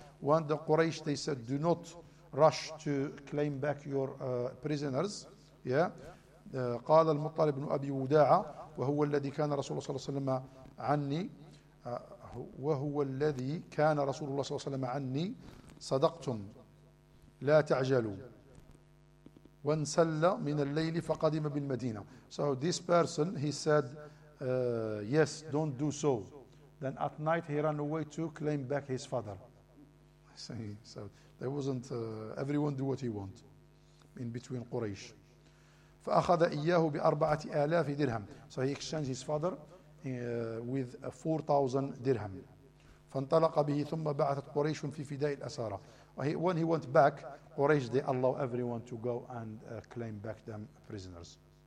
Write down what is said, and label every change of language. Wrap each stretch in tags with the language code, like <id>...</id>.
<en>When the Quraysh, they said, do not rush to claim back your prisoners. Yeah.</en> <ar>قال المطلب بن أبي وداعة وهو الذي كان رسول الله صلى الله عليه وسلم عني وهو الذي كان رسول الله صلى الله عليه وسلم عني صدقتم لا تعجلوا وانسل من الليل فقدم بالمدينة.</ar> <en>So this person, he said, yes, don't do so. Then at night he ran away to claim back his father. So there wasn't everyone do what he want in between Quraysh.</en> <ar>فأخذ إياه بأربعة آلاف درهم.</ar> <en>So he exchanged his father with 4,000 درهم.</en> <ar>فانطلق به ثم بعثت قريش في فداء الأسارة.</ar> <en>When he went back, Quraysh, they allow everyone to go and claim back them prisoners.</en>